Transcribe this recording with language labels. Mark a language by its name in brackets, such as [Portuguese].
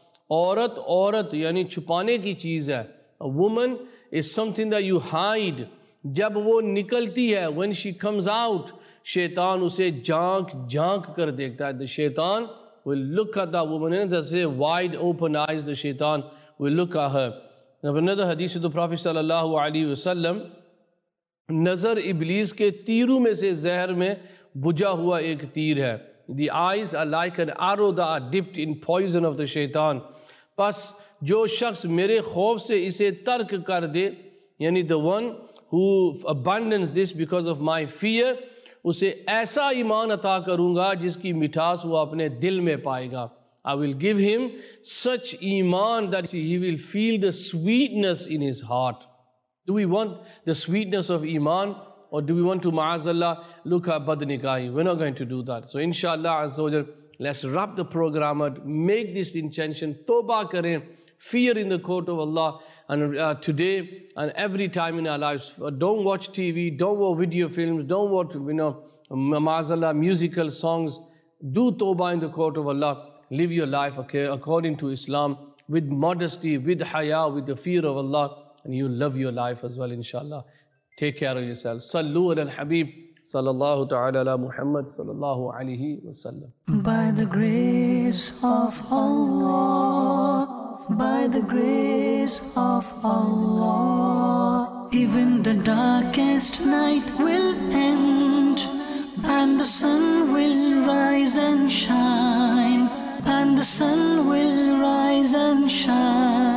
[Urdu] عورت عورت یعنی چھپانے کی چیز ہے. [English] A woman is something that you hide. [Urdu] جب وہ نکلتی ہے, [English] when she comes out, [Urdu] شیطان اسے جانک جانک کر دیکھتا ہے. [English] The شیطان will look at that woman and say, wide open eyes, the شیطان will look at her. Now another [Urdu] حدیث [English] of the Prophet [Urdu] صلی اللہ علیہ وسلم, نظر ابلیس کے تیروں میں سے زہر میں بجا ہوا ایک تیر ہے. [English] The eyes are like an arrow the dipped in poison of the شیطان. [Urdu] پس جو شخص میرے خوف سے اسے ترک کر دے, یعنی [English] the one who abandons this because of my fear, [Urdu] اسے ایسا ایمان عطا کروں گا جس کی مٹھاس وہ اپنے دل میں پائے گا. [English] I will give him such ایمان that he will feel the sweetness in his heart. Do we want the sweetness of ایمان اور do we want to معاذ اللہ لک ہا بد نکاہی؟ We not going to do that. So ان شاء اللہ عز و جل let's wrap the programme, make this intention, [Urdu] توبہ کریں, [English] Fear in the court of اللہ today and every time in our lives. Don't watch TV, don't watch video films, don't watch you know معاذ اللہ musical songs. Do توبہ in the court of اللہ, live your life according to Islam with modesty, with حیا, with the fear of اللہ, and you love your life as well ان شاء اللہ. Take care of yourself. [Arabic] صلوا علی الحبیب صلی اللہ تعالی علی محمد صلی اللہ علیہ وسلم. [English] By the grace of Allah, by the grace of Allah, even the darkest night will end, and the sun will rise and shine, and the sun will rise and shine.